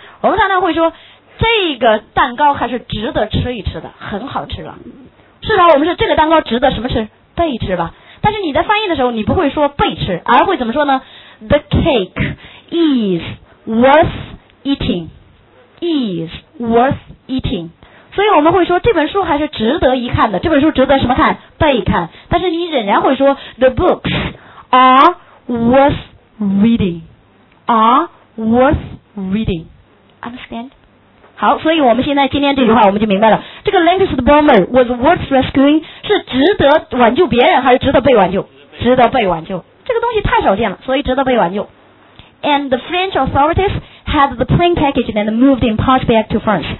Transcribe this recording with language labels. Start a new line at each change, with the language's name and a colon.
Chinese: 我们常常会说这个蛋糕还是值得吃一吃的，很好吃了。事实上我们是这个蛋糕值得什么吃？被吃吧。但是你在翻译的时候你不会说被吃，而会怎么说呢？
English: The cake is worth eating, is worth eating。
Chinese: 所以我们会说这本书还是值得一看的，这本书值得什么看？被看。但是你仍然会说
English: The books are worth readingare worth reading, understand?
Chinese: 好，所以我们现在今天这句话我们就明白了，这个
English: Lancaster Bomber was worth rescuing
Chinese: 是值得挽救别人还是值得被挽救？值得被挽救，这个东西太少见了，所以值得被挽救。
English: And the French authorities had the plane packaged and moved in part back to France.